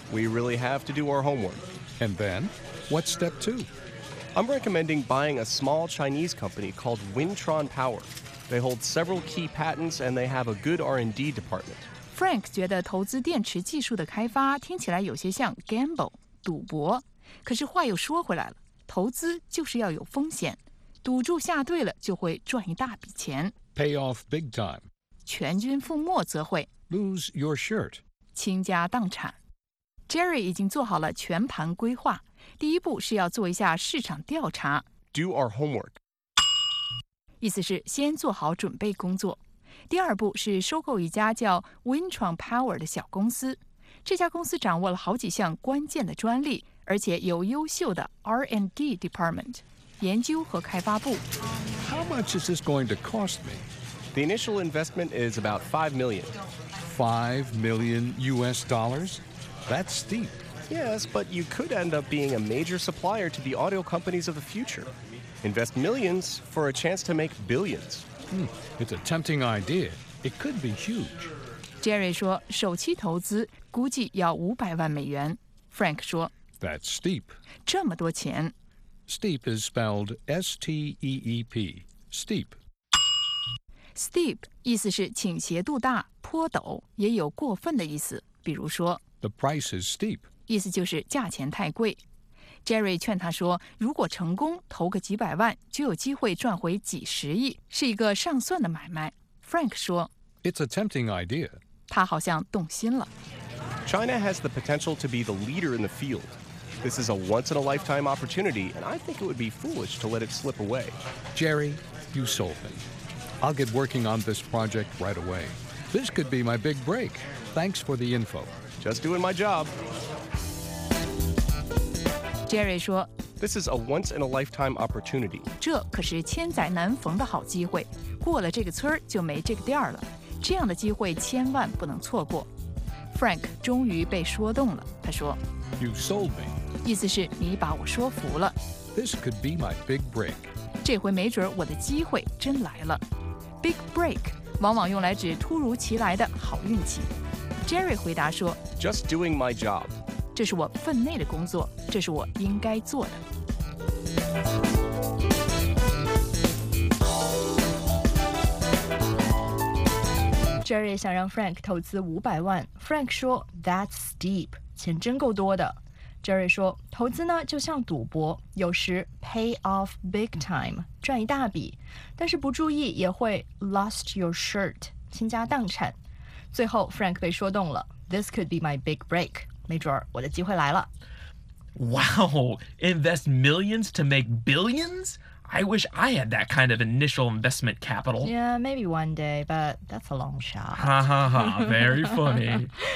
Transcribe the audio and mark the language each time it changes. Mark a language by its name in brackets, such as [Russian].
[English] We really have to do our homework. And then, what's step two? I'm recommending buying a small Chinese company called Wintron Power. They hold several key patents and they have a good R&D department. [Chinese] Frank 觉得投资电池技术的开发听起来有些像 gamble, 赌博。可是话又说回来了，投资就是要有风险，赌注下对了就会赚一大笔钱。 [English] Pay off big time. [Chinese] 全军覆没则会。 [English] Lose your shirt. [Chinese] 倾家荡产。 Jerry 已经做好了全盘规划，第一步是要做一下市场调查。 [English] Do our homework. [Chinese] 意思是先做好准备工作。第二步是收购一家叫 Wintron Power 的小公司。这家公司掌握了好几项关键的专利，而且有优秀的 R&D department 研究和开发部。 [English] How much is this going to cost me? The initial investment is about $5 million. $5 million US? That's steep. Yes, but you could end up being a major supplier to the auto companies of the future. Invest millions for a chance to make billions. It's a tempting idea. It could be huge. [Chinese] Jerry 说，首期投资估计要$5 million. Frank 说 [English] ，That's steep. [Chinese] 这么多钱。 [English] Steep is spelled S-T-E-E-P. Steep. [Chinese] Steep 意思是倾斜度大、坡陡，也有过分的意思。比如说 [English] ，The price is steep. [Chinese] 意思就是价钱太贵。 Jerry 劝他说，如果成功，投个几百万，就有机会赚回几十亿，是一个上算的买卖。 Frank 说 [English] ，It's a tempting idea. [Chinese] 他好像动心了。 [English] China has the potential to be the leader in the field. This is a once-in-a-lifetime opportunity, and I think it would be foolish to let it slip away. Jerry, you sold me. I'll get working on this project right away. This could be my big break. Thanks for the info. Just doing my job. [Chinese] Jerry 说 [English] This is a once-in-a-lifetime opportunity. [Chinese] 这可是千载难逢的好机会，过了这个村就没这个店了，这样的机会千万不能错过。 Frank 终于被说动了，他说 [English] You sold me. [Chinese] 意思是你把我说服了。 [English] This could be my big break. [Chinese] 这回没准我的机会真来了。Big break 往往用来指突如其来的好运气。 Jerry 回答说 [English] Just doing my job. [Chinese] 这是我分内的工作，这是我应该做的。 Jerry 想让 Frank 投资500万 ，Frank 说 [English] That's steep， [Chinese] 钱真够多的。 Jerry 说，投资呢就像赌博，有时 [English] pay off big time， [Chinese] 赚一大笔，但是不注意也会 [English] lost your shirt， [Chinese] 倾家荡产。最后 Frank 被说动了 ， [English] This could be my big break。 [Chinese] 没准我的机会来了。 [English] Wow, invest millions to make billions? I wish I had that kind of initial investment capital. Yeah, maybe one day, but that's a long shot. Ha ha ha, very funny.